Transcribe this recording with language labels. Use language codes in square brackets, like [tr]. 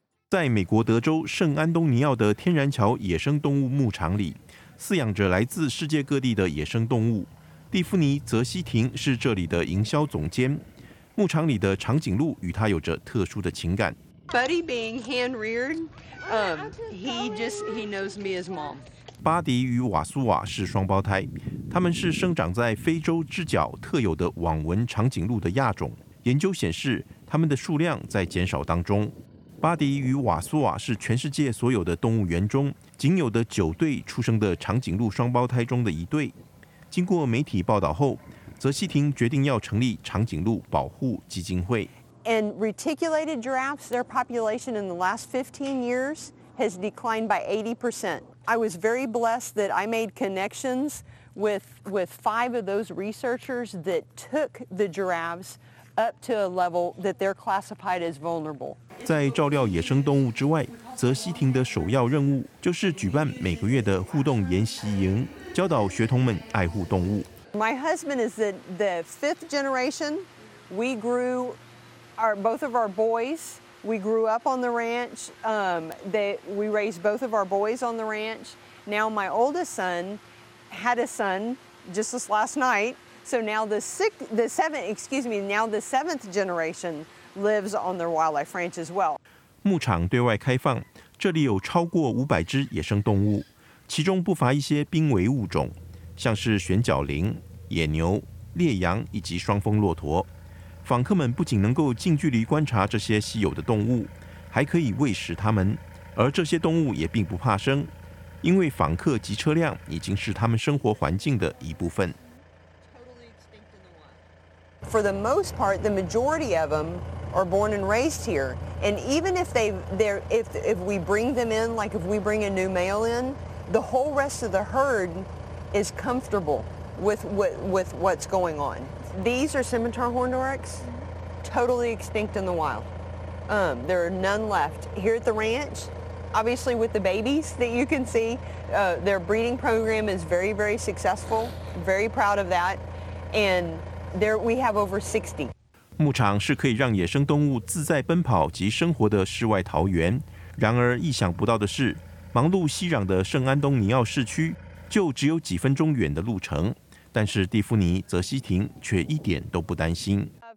[zh] 在美国德州圣安东尼奥的天然桥野生动物牧场里，饲养着来自世界各地的野生动物。蒂夫尼·泽西廷是这里的营销总监。牧场里的长颈鹿与他有着特殊的情感。 [en] Buddy being hand-reared, he knows me as mom. [zh] 巴迪与瓦苏瓦是双胞胎，他们是生长在非洲之角特有的网纹长颈鹿的亚种。研究显示，他们的数量在减少当中。巴迪与瓦苏瓦是全世界所有的动物园中仅有的9对出生的长颈鹿双胞胎中的一对。经过媒体报道后，泽西廷决定要成立长颈鹿保护基金会。 [en] And reticulated giraffes, their population in the last 15 years has declined by 80%. I was very blessed that I made connections with five of those researchers that took the giraffes up to a level that they're classified as vulnerable. [zh] 在照料野生动物之外，泽西廷的首要任务就是举办每个月的互动研习营，教导学童们爱护动物。 [en] My husband is the fifth generation. We grew both of our boys. We grew up on the ranch. We raised both of our boys on the ranch. Now my oldest son had a son just this last night. So now the seventh generation lives on their wildlife ranch as well. [zh] 牧场对外开放，这里有超过500只野生动物，其中不乏一些濒危物种，像是旋角羚、野牛、烈羊以及双峰骆驼。访客们不仅能够近距离观察这些稀有的动物，还可以喂食它们，而这些动物也并不怕生，因为访客及车辆已经是它们生活环境的一部分。 [en] For the most part, the majority of them are born and raised here. And even if if we bring them in, like if we bring a new male in, the whole rest of the herd is comfortable with what's going on. These are scimitar horned oryx, totally extinct in the wild. There are none left. Here at the ranch, obviously with the babies that you can see, their breeding program is very, very successful. Very proud of that. And there we have over 60. [zh] 牧场是可以让野生动物自在奔跑及生活的世外桃源。然而意想不到的是，忙碌熙攘的圣安东尼奥市区就只有几分钟远的路程，但是蒂芙尼·泽西廷却一点都不担心。